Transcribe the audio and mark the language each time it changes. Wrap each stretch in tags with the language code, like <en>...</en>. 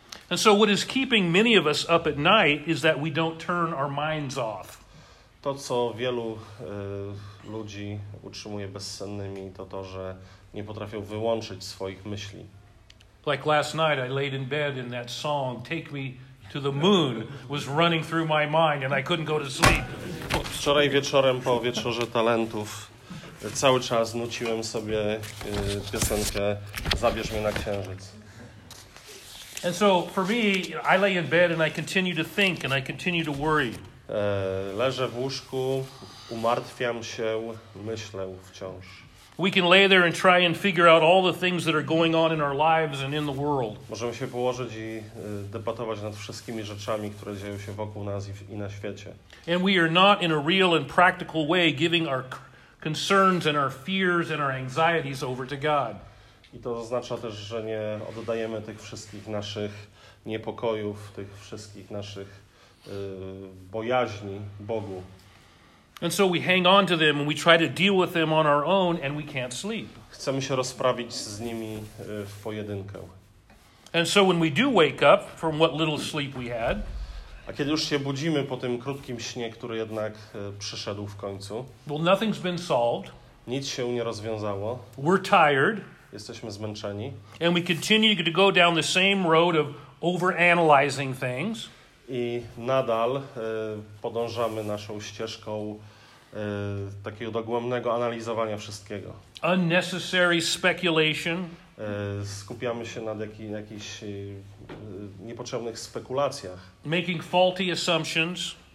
<en>And so what is keeping many of us up at night is that we don't turn our minds off.</en> <pl>To, co wielu ludzi utrzymuje bezsennymi, to, że nie potrafią wyłączyć swoich myśli.</pl> <en>Like last night, I laid in bed in that song, Take Me to the Moon was running through my mind and I couldn't go to sleep.</en> <pl>Wczoraj wieczorem po Wieczorze Talentów cały czas nuciłem sobie piosenkę Zabierz mnie na księżyc.</pl> <en>And so for me, I lay in bed and I continue to think and I continue to worry.</en> <pl>Leżę w łóżku, umartwiam się, myślę wciąż.</pl> <en>We can lay there and try and figure out all the things that are going on in our lives and in the world.</en> <pl>Możemy się położyć i debatować nad wszystkimi rzeczami, które dzieją się wokół nas i na świecie.</pl> <en>And we are not in a real and practical way giving our concerns and our fears and our anxieties over to God.</en> <pl>I to oznacza też, że nie oddajemy tych wszystkich naszych niepokojów, tych wszystkich naszych bojaźni Bogu.</pl> <en>And so we hang on to them and we try to deal with them on our own and we can't sleep.</en> <pl>Chcemy się rozprawić z nimi w pojedynkę.</pl> <en>And so when we do wake up from what little sleep we had,</en> <pl>a kiedy już się budzimy po tym krótkim śnie, który jednak przyszedł w końcu,</pl> <en>well, nothing's been solved.</en> <pl>Nic się nie rozwiązało.</pl> <en>We're tired.</en> <pl>Jesteśmy zmęczeni.</pl> <en>And we continue to go down the same road of overanalyzing things.</en> <pl>I nadal podążamy naszą ścieżką takiego dogłębnego analizowania wszystkiego.</pl> <en>Unnecessary speculation.</en> <pl>Skupiamy się nad jakichś niepotrzebnych spekulacjach.</pl> <en>Making faulty assumptions.</en>